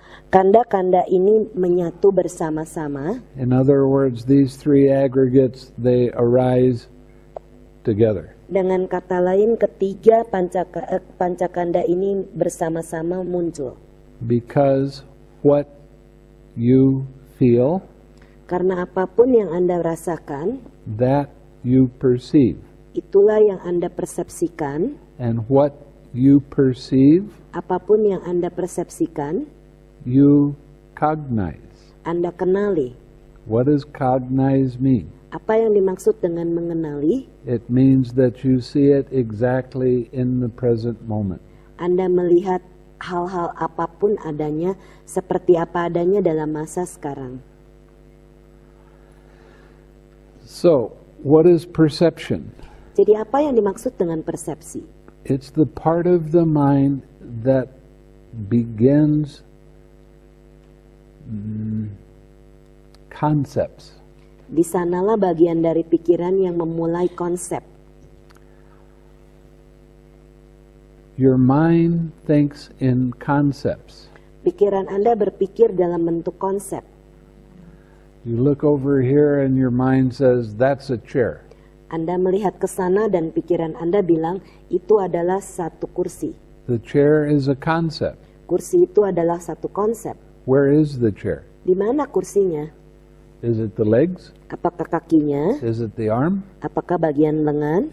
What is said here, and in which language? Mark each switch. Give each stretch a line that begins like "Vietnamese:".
Indonesian: kanda-kanda ini menyatu bersama-sama.
English: In other words, these three aggregates, they arise together.
Indonesian: Dengan kata lain, ketiga pancakanda ini bersama-sama muncul.
English: Because what you feel,
Indonesian: karena apapun yang Anda rasakan,
English: that you perceive,
Indonesian: itulah yang Anda persepsikan.
English: And what you perceive,
Indonesian: apapun yang Anda persepsikan,
English: you cognize,
Indonesian: Anda kenali.
English: What does cognize mean?
Indonesian: Apa yang dimaksud dengan mengenali?
English: It means that you see it exactly in the present moment.
Indonesian: Anda melihat hal-hal apapun adanya seperti apa adanya dalam masa sekarang.
English: So, what is perception?
Indonesian: Jadi apa yang dimaksud dengan persepsi?
English: It's the part of the mind that begins concepts.
Indonesian: Di sanalah bagian dari pikiran yang memulai konsep.
English: Your mind thinks in concepts.
Indonesian: Pikiran Anda berpikir dalam bentuk konsep.
English: You look over here and your mind says, that's a chair.
Indonesian: Anda melihat ke sana dan pikiran Anda bilang, itu adalah satu kursi.
English: The chair is a concept.
Indonesian: Kursi itu adalah satu konsep.
English: Where is the chair?
Indonesian: Di mana kursinya?
English: Is it the legs?
Indonesian: Apakah kakinya?
English: Is it the arm?
Indonesian: Apakah bagian lengan?